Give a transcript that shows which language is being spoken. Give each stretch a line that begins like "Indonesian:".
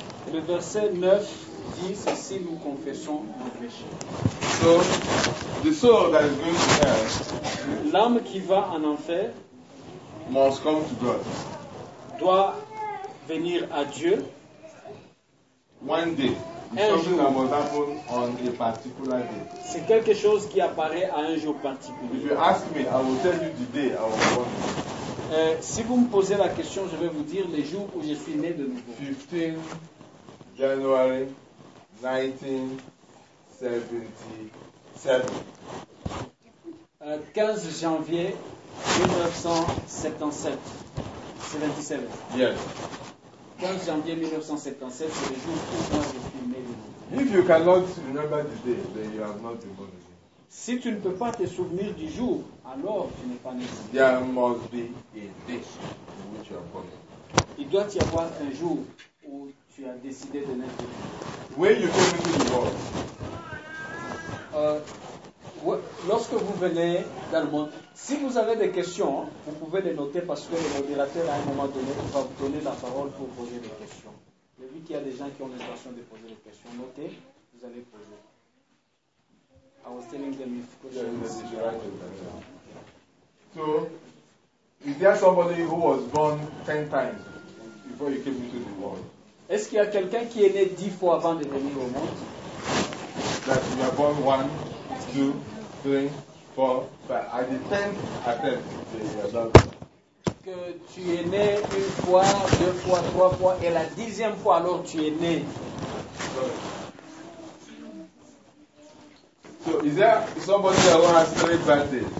French: Le verset 9 dit ceci, nous confessons nos péchés.
English: So, the soul that is going to hell,
French: l'âme qui va en enfer,
English: must come to God.
French: Doit venir à Dieu.
English: One day,
French: un
English: something that must happen on a particular day.
French: C'est quelque chose qui apparaît à un jour particulier.
English: If you ask me, I will tell you the day I was born.
French: Si vous me posez la question, je vais vous dire les jours où je suis né de nouveau.
English: 15 January 1977.
French: 15 janvier 1977.
English: Yes.
French: 15 janvier 1977, c'est le jour où moi je suis né de nouveau.
English: If you cannot remember the day, then you have not been born again.
French: Si tu ne peux pas te souvenir du jour, alors tu n'es pas né.
English: There must be a day in which you are born.
French: Il doit y avoir un jour où tu as décidé de naître.
English: When you came into the world.
French: Lorsque vous venez dans le monde, si vous avez des questions, vous pouvez les noter parce que le modérateur, à un moment donné, va vous donner la parole pour poser des questions. J'ai vu qu'il y a des gens qui ont l'intention de poser des questions. Notez, vous allez poser.
English: I was telling them if questions. So, is there somebody who was born 10 times before you came into the world?
French: Est-ce qu'il y a quelqu'un qui est né 10 fois avant de venir au monde?
English: That you are born 1, 2, 3, 4, 5. At the 10th attempt, you are done.
French: Que tu es né une fois, deux fois, trois fois, et la dixième fois, alors tu es né.
English: So, is there somebody who has three birthdays?